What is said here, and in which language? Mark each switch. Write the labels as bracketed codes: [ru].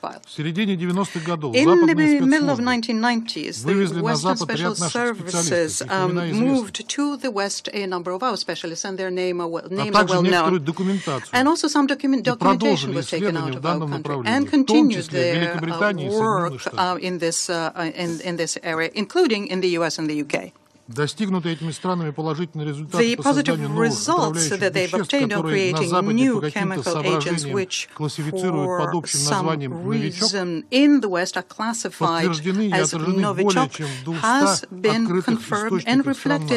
[ru] В середине 90-х годов западные спецслужбы вывезли на Запад ряд наших специалистов, [en] moved to the West a number of our specialists, and their names are well known. And also some documentation was taken out of our country and continued their work in this area, including in the U.S. and the U.K. [ru] Достигнутые этими странами положительные результаты по созданию новых отравляющих веществ, которые на Западе по каким-то соображениям классифицируют под общим названием «Новичок», подтверждены и отражены более чем в 200 открытых источников стран НАТО.